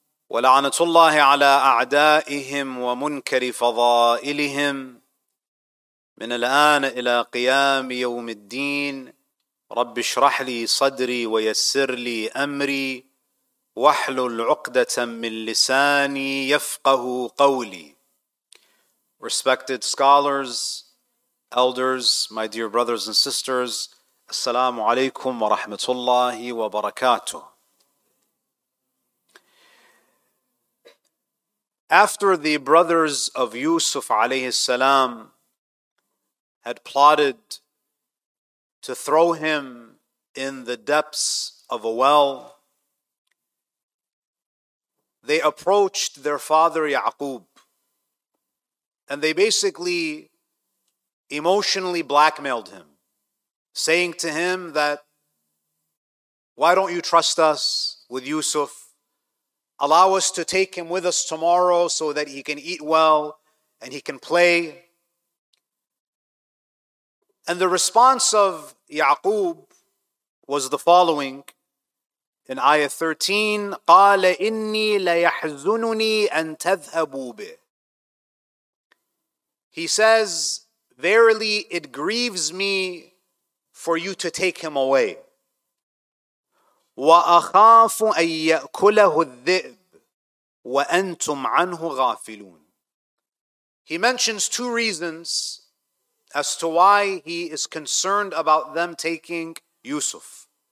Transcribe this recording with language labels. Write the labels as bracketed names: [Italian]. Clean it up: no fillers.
[Arabic] ولعنة الله على أعدائهم ومنكر فضائلهم من الآن إلى قيام يوم الدين. رب اشرح لي صدري ويسر لي أمري واحلل عقدة من لساني يفقه قولي. [English] Respected scholars, elders, my dear brothers and sisters, السلام عليكم ورحمة الله وبركاته. After the brothers of Yusuf alayhi salam had plotted to throw him in the depths of a well, they approached their father Yaqub, and they basically emotionally blackmailed him, saying to him that, why don't you trust us with Yusuf? Allow us to take him with us tomorrow so that he can eat well and he can play. And the response of Ya'qub was the following. In ayah 13, قَالَ إِنِّي لَيَحْزُنُنِي أَن تَذْهَبُوا بِهِ. He says, verily it grieves me for you to take him away. [Arabic] وَأَخَافُ أَن يَأْكُلَهُ الذِّئْبُ وَأَنْتُمْ عَنْهُ غَافِلُونَ. [English] He mentions two reasons as to why he is concerned about them taking Yusuf.